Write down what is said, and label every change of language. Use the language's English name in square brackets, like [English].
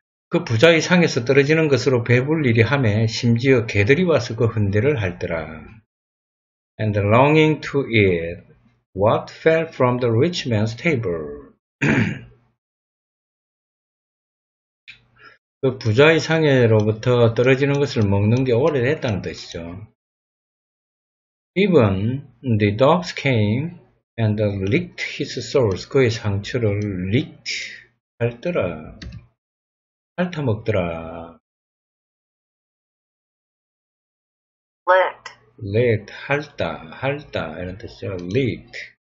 [Korean] 그 부자의 상에서 떨어지는 것으로 배불리리 하매 심지어 개들이 와서 그 흔대를 핥더라. [English] And longing to eat what fell from the rich man's table. [Korean] 그 부자의 상에로부터 떨어지는 것을 먹는 게 오래됐다는 뜻이죠. [English] Even the dogs came and licked his sores. [Korean] 그의 상처를 licked 핥더라. 핥아먹더라. [English] Licked. [Korean] Licked. 핥다. 핥다. 이런 뜻이죠. Licked.